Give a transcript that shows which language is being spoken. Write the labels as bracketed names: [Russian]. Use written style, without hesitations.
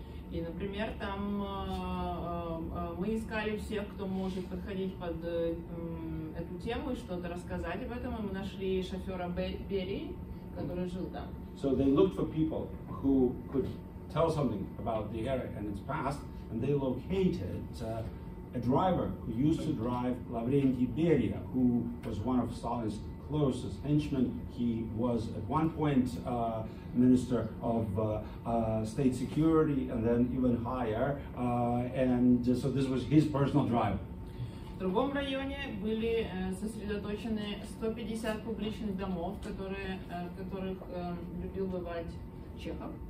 [Russian] И, например, там мы искали всех, кто может подходить под эту тему и что-то рассказать об этом, и мы нашли шофера Берри, который жил там. [English] So they looked for people who could tell something about the area and its past, and they located a driver who used to drive Lavrentiy Beria, who was one of Stalin's closest henchmen. He was at one point minister of state security and then even higher, and so this was his personal driver. [Russian] В другом районе были сосредоточены 150 публичных домов, которых любил бывать Чехов.